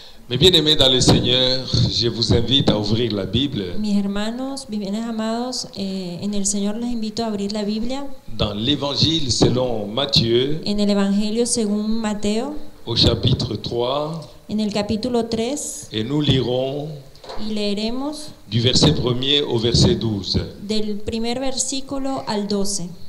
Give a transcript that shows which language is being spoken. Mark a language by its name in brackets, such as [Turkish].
[French] Mes bien-aimés dans le Seigneur, je vous invite à ouvrir la Bible. [Spanish] Mis hermanos, mis bien amados, en el Señor les invito a abrir la Biblia. [French] Dans l'Évangile selon Matthieu. [Spanish] En el Evangelio según Mateo. [French] Au chapitre 3. [Spanish] En el capítulo 3. [French] Et nous lirons. [Spanish] Y leeremos. [French] Du verset 1er au verset 12. [Spanish] Del primer versículo al 12.